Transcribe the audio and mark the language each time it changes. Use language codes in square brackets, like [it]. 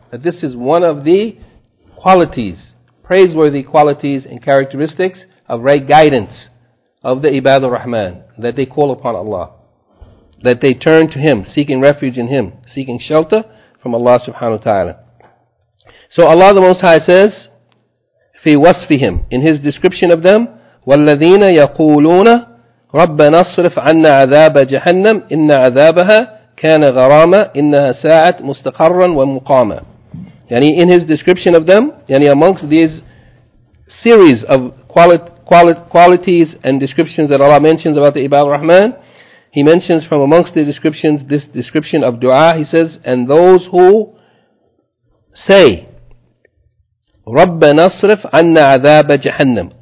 [en] That this is one of the qualities, praiseworthy qualities and characteristics of right guidance of the Ibad al-Rahman, that they call upon Allah, that they turn to Him, seeking refuge in Him, seeking shelter from Allah subhanahu wa ta'ala. So Allah the Most High says, [ar] في وصفهم, [en] in His description of them, [ar] وَالَّذِينَ يَقُولُونَ رَبَّنَا اصْرِفْ عَنَّا عَذَابَ جَهَنَّمْ إِنَّ عَذَابَهَا كَانَ غَرَامًا إِنَّهَا سَاعَتْ مُسْتَقَرًّا وَمُقَامًا. [en] Yani in His description of them, yani amongst these series of qualities and descriptions that Allah mentions about the Ibad al-Rahman, He mentions from amongst the descriptions this description of dua. He says, and those who say, [ar] رَبَّ نَصْرِفْ عَنَّ عَذَابَ جَهَنَّمْ.